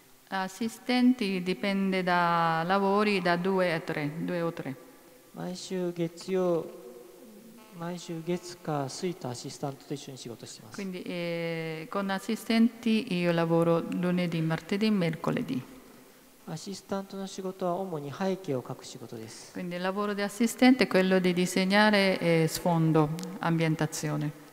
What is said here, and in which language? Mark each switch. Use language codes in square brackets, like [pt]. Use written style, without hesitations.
[it] Assistenti dipende da lavori, da due o tre. [ja] 毎週月曜 毎週月火水とアシスタントと一緒に仕事してます。 [it] Quindi con assistenti io lavoro lunedì, martedì, mercoledì. [ja] アシスタントの仕事は主に背景を描く仕事です。 [it] Quindi il lavoro di assistente è quello di disegnare sfondo, ambientazione.